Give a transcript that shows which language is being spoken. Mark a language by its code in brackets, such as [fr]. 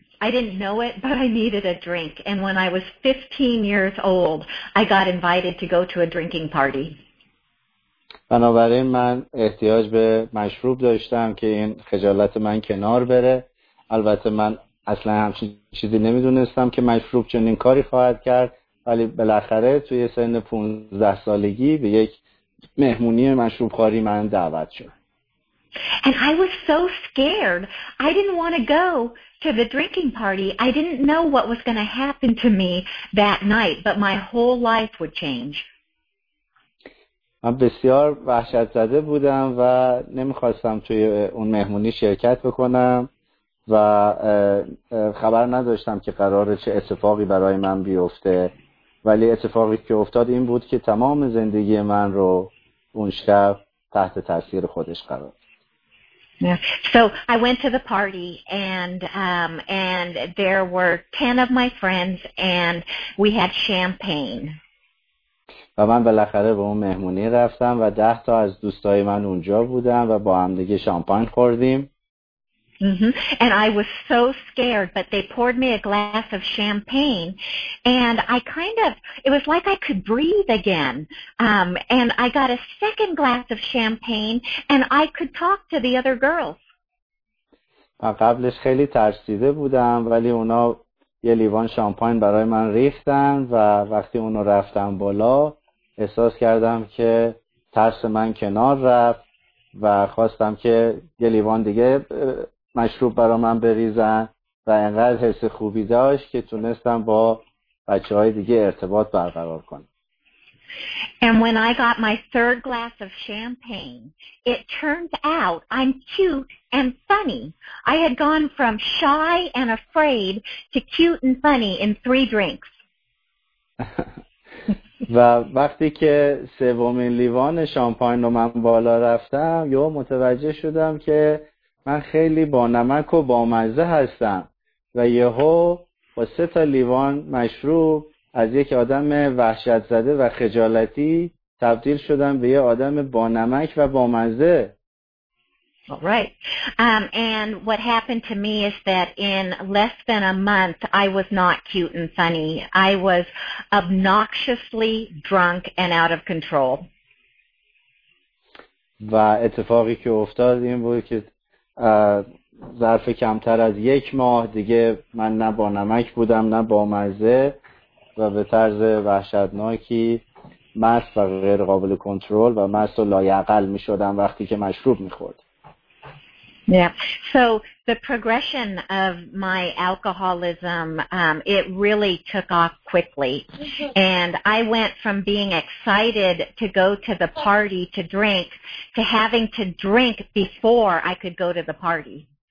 [en] I didn't know it, but I needed a drink. And when I was 15 years old, I got invited to go to a drinking party. [fa] بنابراین من احتیاج به مشروب داشتم که این خجالت من کنار بره. البته من اصلا همچین چیزی نمیدونستم که مشروب چنین کاری خواهد کرد. ولی بالاخره توی سن 15 سالگی به یک مهمونی مشروب خوری من دعوت شد. [en] And I was so scared. I didn't want to go to the drinking party. I didn't know what was going to happen to me that night, but my whole life would change. [fa] من بسیار وحشت زده بودم و نمیخواستم توی اون مهمونی شرکت بکنم و خبر نداشتم که قراره چه اتفاقی برای من بیفته. ولی اتفاقی که افتاد این بود که تمام زندگی من رو اون شب تحت تاثیر خودش قرار داد. [en] Yeah. So I went to the party, and there were 10 of my friends, and we had champagne. [fa] و من بالاخره به اون مهمونی رفتم و 10 تا از دوستای من اونجا بودن و با هم دیگه شامپاین خوردیم. [en] Mm-hmm. And I was so scared, but they poured me a glass of champagne, and I kind of, it was like I could breathe again, and I got a second glass of champagne, and I could talk to the other girls. [fa] من قبلش خیلی ترسیده بودم, ولی اونا یه لیوان شامپاین برای من ریختن و وقتی اونو رفتم بالا, احساس کردم که ترس من کنار رفت و خواستم که یه لیوان دیگه مشروب برای من بریزن و اینقدر حس خوبی داشت که تونستم با بچه های دیگه ارتباط برقرار کنم. [en] And when I got my third glass of champagne, it turned out I'm cute and funny. I had gone from shy and afraid to cute and funny in 3 drinks. [fa] و وقتی که سومین لیوان شامپاین رو من بالا رفتم, یهو متوجه شدم که من خیلی با نمک و بامزه هستم و یهو با 3 تا لیوان مشروب از یک آدم وحشت زده و خجالتی تبدیل شدم به یه آدم با نمک و بامزه. [en] All right. And what happened to me is that in less than a month I was not cute and funny. I was obnoxiously drunk and out of control. [fa] و اتفاقی که افتاد این بود که ظرف کمتر از یک ماه دیگه من نه با نمک بودم نه با مزه و به طرز وحشتناکی مست و غیر قابل کنترل و مست و لایعقل می شدم وقتی که مشروب می خورد. [en] Yeah. So the progression of my alcoholism, it really took off quickly. And I went from being excited to go to the party to drink to having to drink before I could go to the party.